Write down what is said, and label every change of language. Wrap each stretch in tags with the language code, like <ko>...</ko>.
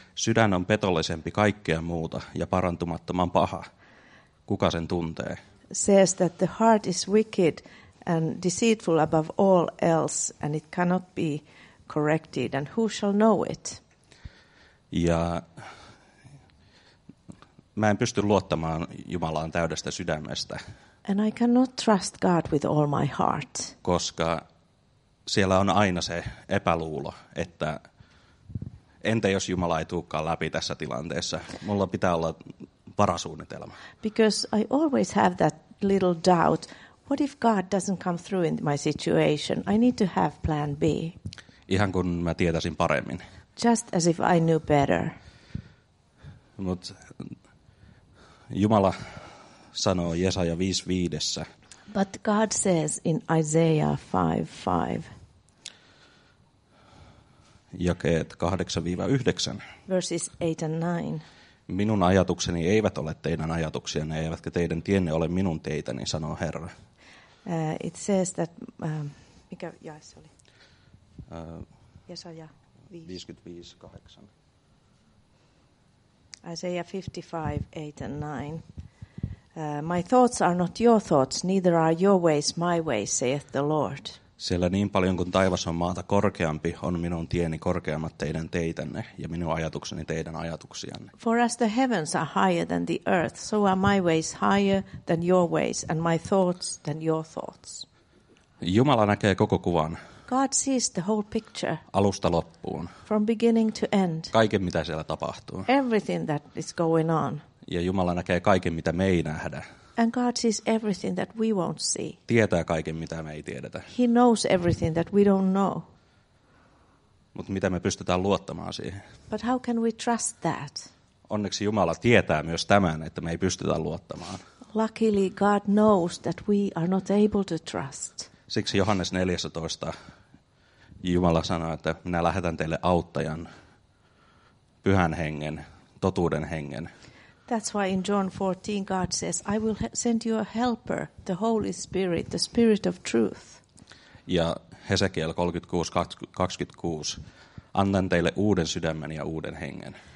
<fi>Sydän on petollisempi kaikkea muuta ja parantumattoman paha. Kuka sen tuntee?</fi> <en>Says that the heart is wicked and deceitful above all else and it cannot be corrected and who shall know it?</en> <fi>Ja mä en pysty luottamaan Jumalaan täydestä sydämestä.</fi> <en>And I cannot trust God with all my heart.</en> <fi>Koska siellä on aina se epäluulo, että entä jos Jumala ei tulekaan läpi tässä tilanteessa? Mulla pitää olla varasuunnitelma.</fi> <en>Because I always have that little doubt. What if God doesn't come through in my situation? I need to have plan B.</en> <fi>Ihan kun mä tietäisin paremmin.</fi> <en>Just as if I knew better.</en> <fi>Mut Jumala sanoo Jesaja 5:5.</fi> <en>But God says in Isaiah 5:5.</en> <fi>Jakeet 8-9.</fi> <en>Verses 8 and 9.</en> <fi>Minun ajatukseni eivät ole teidän ajatuksianne, eivätkä teidän tienne ole minun teitäni, sanoo Herra.</fi> <en>It says that,</en> <fi>mikä jae se oli? Jesaja 55:8.</fi> <en>Isaiah 55:8-9. My thoughts are not your thoughts, neither are your ways my ways, saith the Lord.</en> <fi>Siellä niin paljon kuin taivas on maata korkeampi, on minun tieni korkeammat teidän teitänne ja minun ajatukseni teidän ajatuksianne.</fi> <en>For as the heavens are higher than the earth, so are my ways higher than your ways and my thoughts than your thoughts.</en> <fi>Jumala näkee koko kuvan.</fi> <en>God sees the whole picture.</en> <fi>Alusta loppuun.</fi> <en>From beginning to end.</en> <fi>Kaiken mitä siellä tapahtuu.</fi> <en>Everything that is going on.</en> <fi>Ja Jumala näkee kaiken mitä me ei nähdä.</fi> <en>And God sees everything that we won't see.</en> <fi>Tietää kaiken mitä me ei tiedetä.</fi> <en>He knows everything that we don't know.</en> <fi>Mut mitä me pystytään luottamaan siihen?</fi> <en>But how can we trust that?</en> <fi>Onneksi Jumala tietää myös tämän, että me ei pystytä luottamaan.</fi> <en>Luckily God knows that we are not able to trust.</en> <fi>Siksi Johannes 14 Jumala sanoo, että minä lähetän teille auttajan, Pyhän Hengen, totuuden Hengen.</fi> <en>That's why in John 14 God says, I will send you a helper, the Holy Spirit, the Spirit of truth.</en> <fi>Ja Hesekiel 36:26, annan teille uuden sydämen ja uuden hengen.</fi>